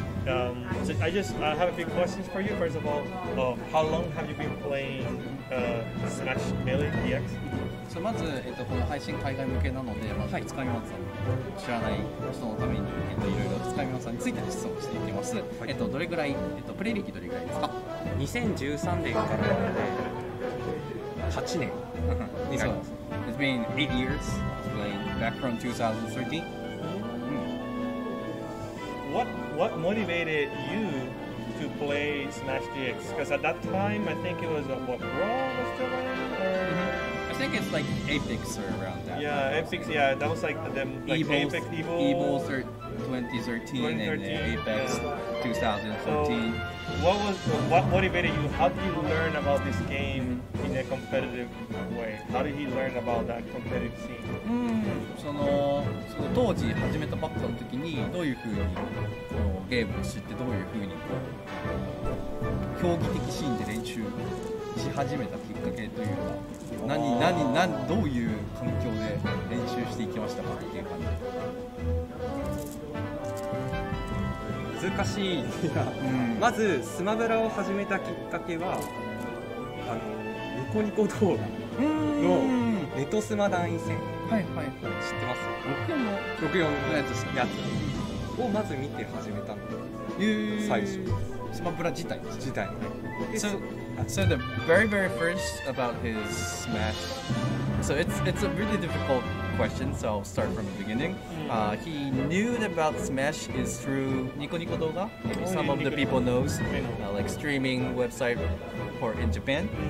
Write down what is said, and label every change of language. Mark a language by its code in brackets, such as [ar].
[en] I have a few questions for you. First of all, how long have you been playing Smash Melee DX? [ja] そう、まず、この配信海外向けなので、まあ、つかみまつさんを知らない人のために、いろいろつかみまつさんについての質問をしていきます。はい、どれぐらい、プレイ歴どれぐらいですか？ 2013年からなので、8年になります。そう。 [en] It's been 8 years playing back from 2013. What motivated you to play Smash DX? Because at that time, I think it was what Raw was still on? I think it's like Apex or around that. Yeah, time, Apex, yeah, that was like the like Apex Evo. Evo 2013 and then Apex 2014. So what motivated you? How did you learn about this game in a competitive way? How did he learn about that competitive scene? [ja] その当時始めたばっかの時にどういうふうにこのゲームを知ってどういうふうに競技的シーンで練習し始めたきっかけというか何どういう環境で練習していきましたかっていう感じ難しい、まずスマブラを始めたきっかけはニコニコ動画のネトスマ団員戦はいはい、知ってます？ 64 のやつをまず見て始めたの、最初スマブラ自体のね。 [en] So the very very first about his Smash, so it's a really difficult question, so I'll start from the beginning. He knew about Smash is through Nico Nico Douga, some of the people knows, like streaming website for in Japan.